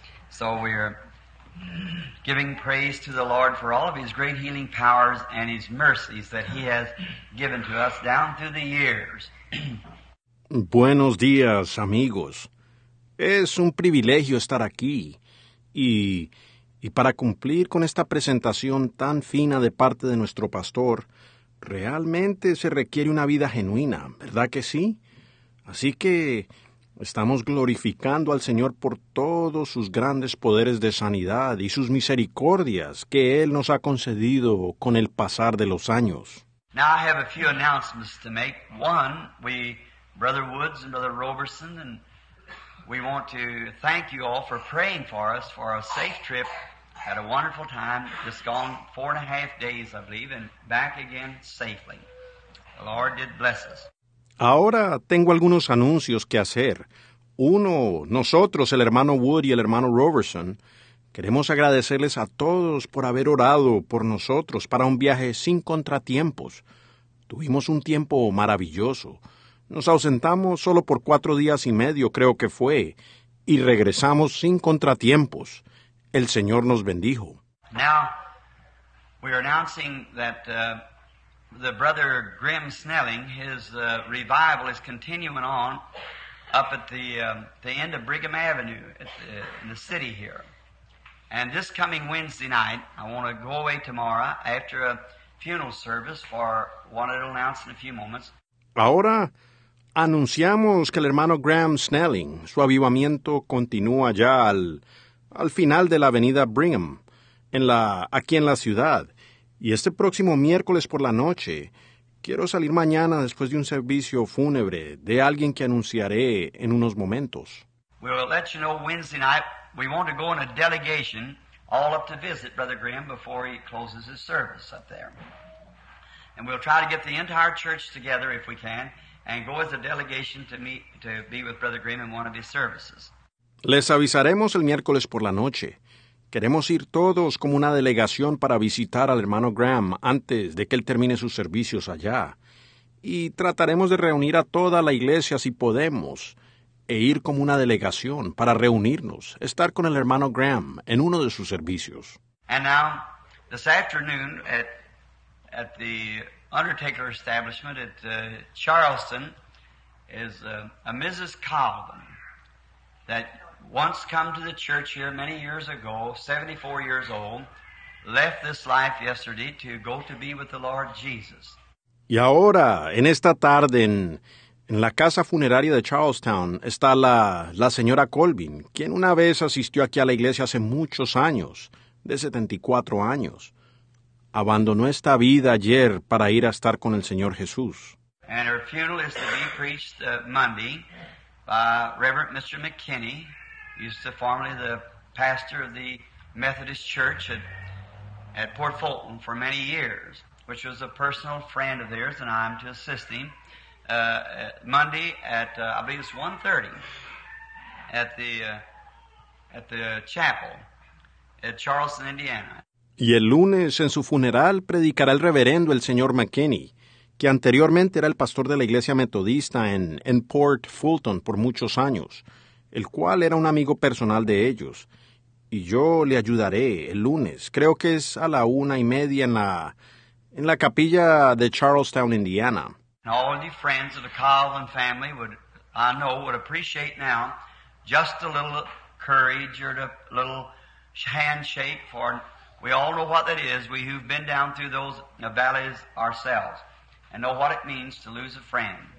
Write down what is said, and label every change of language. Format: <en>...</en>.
<en>So we are giving praise to the Lord for all of His great healing powers and His mercies that He has given to us down through the years.</en> <es>Buenos días, amigos. Es un privilegio estar aquí y para cumplir con esta presentación tan fina de parte de nuestro pastor, realmente se requiere una vida genuina, ¿verdad que sí? Así que estamos glorificando al Señor por todos sus grandes poderes de sanidad y sus misericordias que Él nos ha concedido con el pasar de los años.</es> <en>Now I have a few announcements to make. One, we, Brother Woods and Brother Roberson, and we want to thank you all for praying for us for a safe trip. Had a wonderful time, just gone 4.5 days, I believe, and back again safely. The Lord did bless us.</en> <es>Ahora tengo algunos anuncios que hacer. Uno, nosotros, el hermano Wood y el hermano Roberson, queremos agradecerles a todos por haber orado por nosotros para un viaje sin contratiempos. Tuvimos un tiempo maravilloso. Nos ausentamos solo por 4 días y medio, creo que fue, y regresamos sin contratiempos. El Señor nos bendijo.</es> <en>Now, we are announcing that the brother Grim Snelling, his revival is continuing on up at the end of Brigham Avenue in the city here. And this coming Wednesday night, I want to go away tomorrow after a funeral service for one to announce in a few moments.</en> <es>Ahora, anunciamos que el hermano Graham Snelling, su avivamiento continúa ya al final de la avenida Brigham, aquí en la ciudad. Y este próximo miércoles por la noche, quiero salir mañana después de un servicio fúnebre de alguien que anunciaré en unos momentos.</es> <en>We'll let you know Wednesday night. We want to go in a delegation all up to visit Brother Graham before he closes his service up there. And we'll try to get the entire church together if we can and go as a delegation to be with Brother Graham in one of his services.</en> <es>Les avisaremos el miércoles por la noche. Queremos ir todos como una delegación para visitar al hermano Graham antes de que él termine sus servicios allá. Y trataremos de reunir a toda la iglesia si podemos, e ir como una delegación para reunirnos, estar con el hermano Graham en uno de sus servicios.</es> <en>And now, this afternoon at the Undertaker establishment at Charleston is a Mrs. Calvin that once come to the church here many years ago, 74 years old, left this life yesterday to go to be with the Lord Jesus.</en> <es>Y ahora, en esta tarde en la casa funeraria de Charlestown está la señora Colvin, quien una vez asistió aquí a la iglesia hace muchos años, de 74 años. Abandonó esta vida ayer para ir a estar con el Señor Jesús.</es> <en>And her funeral is to be preached Monday by Reverend Mr. McKinney, used to formerly the pastor of the Methodist Church at Port Fulton for many years, which was a personal friend of theirs, and I'm to assist him. Monday at I believe it's 1:30 at the chapel at Charleston, Indiana.</en> <es>Y el lunes en su funeral predicará el reverendo el señor McKinney, que anteriormente era el pastor de la iglesia metodista en Port Fulton por muchos años, el cual era un amigo personal de ellos, y yo le ayudaré el lunes. Creo que es a la 1:30 en la capilla de Charlestown, Indiana.</es> <en>And all of you friends of the Calvin family would appreciate now just a little courage or a little handshake, for we all know what that is, we who've been down through those valleys ourselves, and know what it means to lose a friend.</en>